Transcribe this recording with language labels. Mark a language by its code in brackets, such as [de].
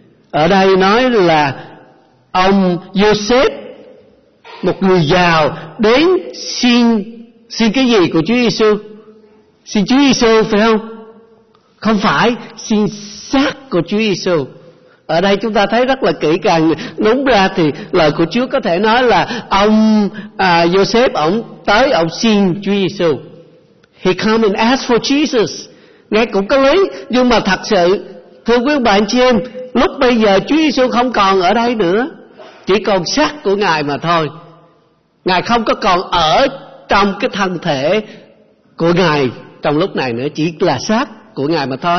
[vi] Ở đây nói là ông Joseph, một người giàu, đến xin cái gì của Chúa Giêsu? Xin Chúa Giêsu phải không? Không phải, xin xác của Chúa Giêsu. Ở đây chúng ta thấy rất là kỹ càng. Đúng ra thì lời của Chúa có thể nói là ông Joseph, ông tới ông xin Chúa Giêsu. [en] He come and ask for Jesus. [vi] Nghe cũng có lý, nhưng mà thật sự, thưa quý bạn chị em, lúc bây giờ Chúa Giêsu không còn ở đây nữa, chỉ còn xác của Ngài mà thôi. Ngài không có còn ở trong cái thân thể của Ngài trong lúc này nữa, chỉ là xác của Ngài mà thôi.